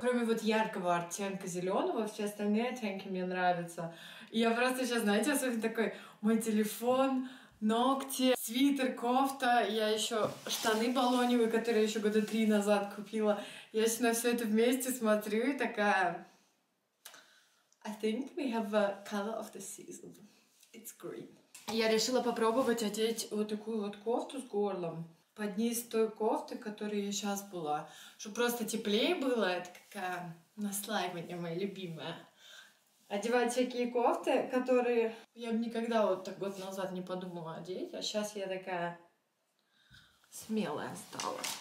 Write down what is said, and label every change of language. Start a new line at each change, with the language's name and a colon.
Russian: Кроме вот яркого оттенка зеленого, все остальные оттенки мне нравятся. И я просто сейчас, знаете, особенно такой мой телефон, ногти, свитер, кофта, я еще штаны балоневые, которые я еще 3 года назад купила. Я сейчас на все это вместе смотрю и такая...
English: I think we have a color of the season. It's green.
Russian: Я решила попробовать одеть вот такую вот кофту с горлом под низ той кофты, которой я сейчас была. Чтобы просто теплее было, это какая наслаивание моя любимая. Одевать всякие кофты, которые я бы никогда вот так год назад не подумала одеть, а сейчас я такая смелая стала.